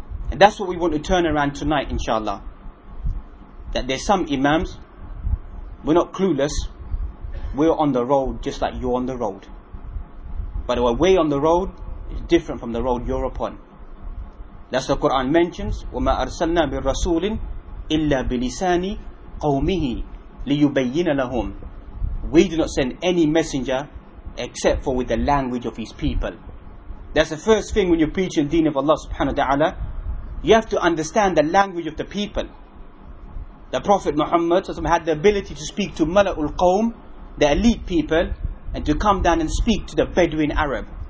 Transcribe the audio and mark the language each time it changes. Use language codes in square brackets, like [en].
[en] And that's what we want to turn around tonight, inshallah. That there's some Imams, we're not clueless, we're on the road just like you're on the road. But our way on the road is different from the road you're upon. That's the Quran mentions, [ar] وَمَا أَرْسَلْنَا بِالرَّسُولٍ إِلَّا بِلِسَانِ قَوْمِهِ لِيُبَيِّنَ لَهُمْ. [en] We do not send any messenger except for with the language of his people. That's the first thing when you're preaching the deen of Allah subhanahu wa ta'ala. You have to understand the language of the people. The Prophet Muhammad had the ability to speak to Mala'ul Qawm, the elite people, and to come down and speak to the Bedouin Arab.